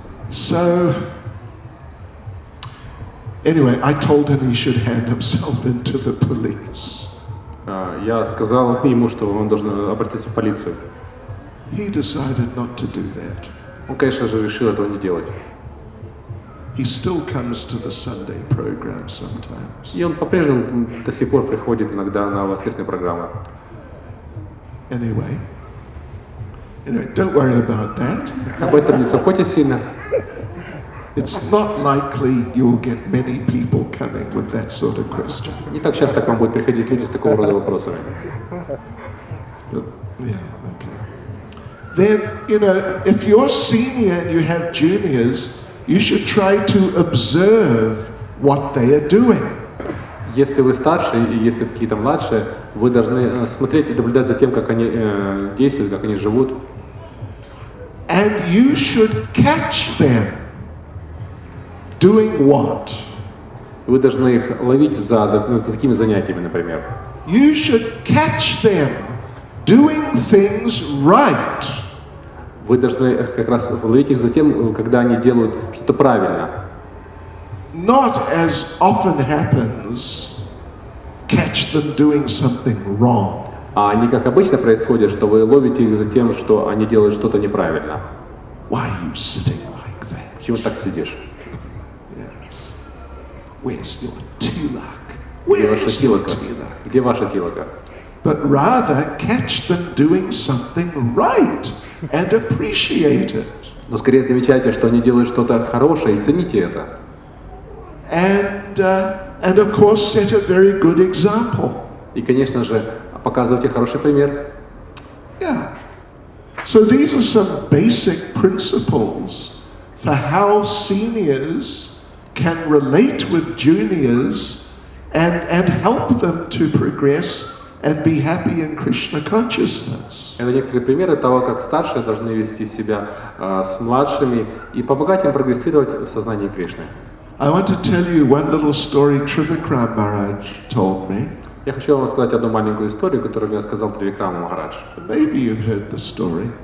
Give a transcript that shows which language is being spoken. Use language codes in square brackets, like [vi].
[en] So, anyway, I told him he should hand himself into the police. [ru] Я сказал ему, что он должен обратиться в полицию. [en] He decided not to do that. [ru] Он, конечно же, решил этого не делать. [en] He still comes to the Sunday program sometimes. [ru] И он по-прежнему до сих пор приходит иногда на воскресные программы. [en] Anyway, don't worry about that. [ru] Об этом не заботьтесь сильно. [en] It's not likely you'll get many people coming with that sort of question. [ru] Не так часто к вам будут приходить люди с такого рода вопросами. [en] Yeah, okay. Then, you know, if you're senior and you have juniors, you should try to observe what they are doing. [ru] Если вы старше и если какие-то младшие, вы должны смотреть и наблюдать за тем, как они действуют, как они живут. [en] And you should catch them. Doing what? [ru] Вы должны их ловить за такими занятиями, например. [en] You should catch them doing things right. [ru] Вы должны как раз ловить их за тем, когда они делают что-то правильно. [en] Not as often happens, catch them doing something wrong. [ru] А не как обычно происходит, что вы ловите их за тем, что они делают что-то неправильно. [en] Why are you sitting like that? [ru] Почему так сидишь? [en] Where's your tilak? Where's your tilak? [ru] Где ваша тилака? [en] But rather catch them doing something right and appreciate it. [ru] Но скорее замечайте, что они делают что-то хорошее и цените это. [en] And of course set a very good example. [ru] И конечно же показывайте хороший пример. [en] Yeah. So these are some basic principles for how seniors can relate with juniors and help them to progress and be happy in Krishna consciousness. [ru] Это некоторые примеры того, как старшие должны вести себя с младшими и помогать им прогрессировать в сознании Кришны. [en] I want to tell you one little story Trivikram Maharaj told me. [ru] Я хочу вам рассказать одну маленькую историю, которую мне сказал Тривикрама Махарадж. [en] Maybe you've heard the story.